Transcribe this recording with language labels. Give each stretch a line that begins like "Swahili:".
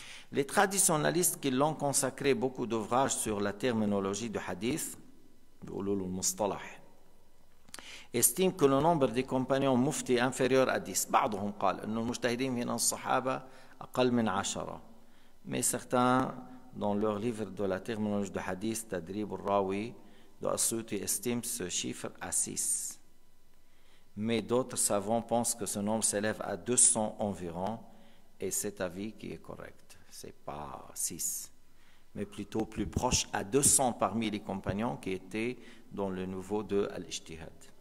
French: Les traditionnalistes qui l'ont consacré beaucoup d'ouvrages sur la terminologie du hadith, Ulul al-Mustalah, estime que le nombre des compagnons mufti est inférieur à 10.
Arabic: بعضهم قال ان المجتهدين من الصحابه اقل من 10.
French: Mais certains dans leur livre de la terminologie du hadith Tadrib al-Rawi d'As-Suyuti estiment ce chiffre à 6. Mais d'autres savants pensent que ce nombre s'élève à 200 environ, et cet avis qui est correct. C'est pas 6, mais plutôt plus proche à 200 parmi les compagnons qui étaient dans le niveau de al-ijtihad.